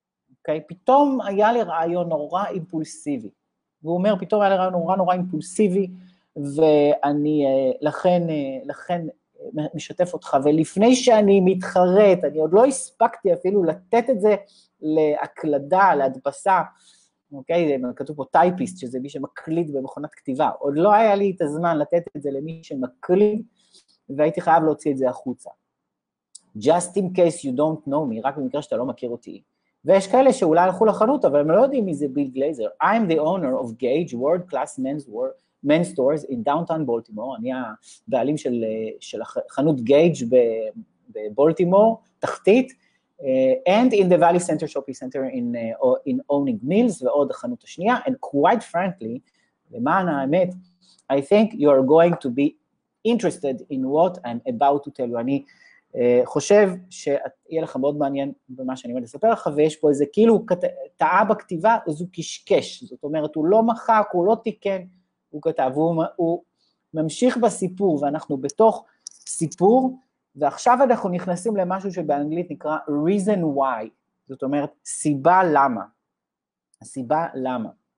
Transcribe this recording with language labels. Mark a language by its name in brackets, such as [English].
[Hebrew] Okay, פתאום היה לי רעיון נורא אימפולסיבי, והוא אומר, פתאום היה לי רעיון נורא נורא אימפולסיבי, ואני לכן משתף אותך, ולפני שאני מתחרט, אני עוד לא הספקתי אפילו לתת את זה להקלדה, להדפסה, okay, כתוב פה טייפיסט, שזה מי שמקליד במכונת כתיבה, עוד לא היה לי את הזמן לתת את זה למי שמקליד, והייתי חייב להוציא את זה החוצה. [English] Just in case you don't know me, [Hebrew] רק במקרה שאתה לא מכיר אותי, ויש כאלה שאולי הלכו לחנות, אבל הם לא יודעים מי זה ביל גלייזר. [English] I'm the owner of Gage World Class Men's Stores in downtown Baltimore. [Hebrew] אני הבעלים של החנות Gage בבולטימור, תחתית, [English] and in the Valley Center Shopping Center in Owning Mills, [Hebrew] ועוד החנות השנייה, [English] and quite frankly, [Hebrew] למען האמת, [English] I think you are going to be interested in what I'm about to tell you. [Hebrew] אני חושב שיהיה לך מאוד מעניין במה שאני אומר לספר לך, ויש פה איזה כאילו טעה בכתיבה, אז הוא קשקש. זאת אומרת, הוא לא מחק, הוא לא תיקן, הוא כתב, הוא ממשיך בסיפור, ואנחנו בתוך סיפור, ועכשיו אנחנו נכנסים למשהו שבאנגלית נקרא [English] reason why, [Hebrew] זאת אומרת, סיבה למה. הסיבה למה.